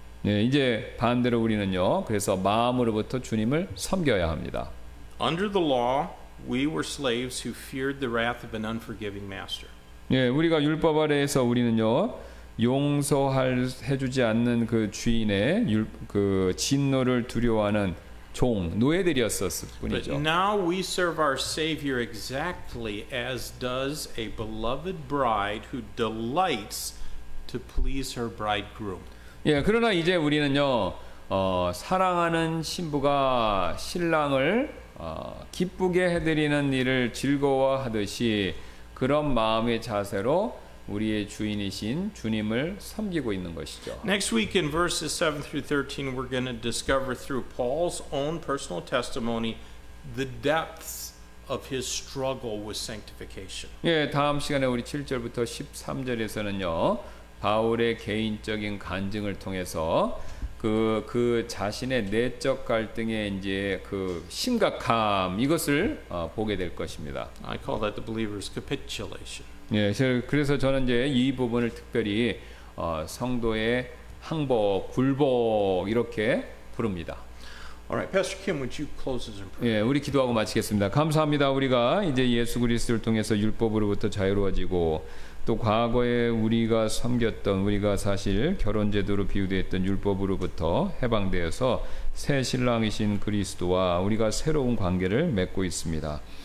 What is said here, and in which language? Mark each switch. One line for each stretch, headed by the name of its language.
Korean: 네, 이제 반대로 우리는요. 그래서 마음으로부터 주님을 섬겨야 합니다.
English: Under the law, we were slaves who feared the wrath of an unforgiving master.
Korean: 예, 우리가 율법 아래에서 우리는요 용서할 해주지 않는 그 주인의 율, 그 진노를 두려워하는 종, 노예들이었었을 뿐이죠.
English: But now we serve our Savior exactly as does a beloved bride who delights to please her bridegroom.
Korean: 예, 그러나 이제 우리는요 사랑하는 신부가 신랑을 기쁘게 해드리는 일을 즐거워하듯이 그런 마음의 자세로 우리의 주인이신 주님을 섬기고 있는 것이죠.
English: Next week in verses 7 through 13 we're going to discover through Paul's own personal testimony the depths of his struggle with sanctification.
Korean: 예, 다음 시간에 우리 7절부터 13절에서는요. 바울의 개인적인 간증을 통해서 그 자신의 내적 갈등의 이제 그 심각함 이것을 보게 될 것입니다.
English: I call that the believer's capitulation.
Korean: 예, 그래서 저는 이제 이 부분을 특별히 성도의 항복, 굴복 이렇게 부릅니다.
English: Alright, Pastor Kim, would you close us in prayer?
Korean: 예, 우리 기도하고 마치겠습니다. 감사합니다. 우리가 이제 예수 그리스도를 통해서 율법으로부터 자유로워지고 또 과거에 우리가 섬겼던 우리가 사실 결혼 제도로 비유되었던 율법으로부터 해방되어서 새 신랑이신 그리스도와 우리가 새로운 관계를 맺고 있습니다.